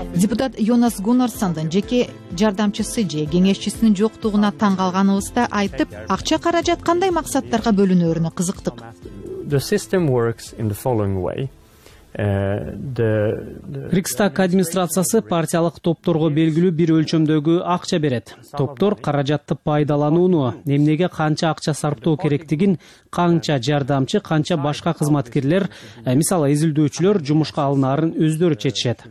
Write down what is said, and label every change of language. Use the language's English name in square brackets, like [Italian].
[Kyrgyz] Депутат Йонас Гунарсандын жеке жардамчысы же кеңешчисинин жоктугуна таң калганыбызда айтып, акча каражат кандай максаттарга бөлүнөрүнө кызыктык. [English] The system works in the following way. [Kyrgyz] Рикстаг администрациясы партиялык топторго белгилүү бир өлчөмдөгү акча берет. Топтор каражатты пайдаланууну, эмнеге канча акча сарптоо керектигин, канча жардамчы, канча башка кызматкерлер, мисалы изилдөөчүлөр жумушка алынарын өздөрү чечишет.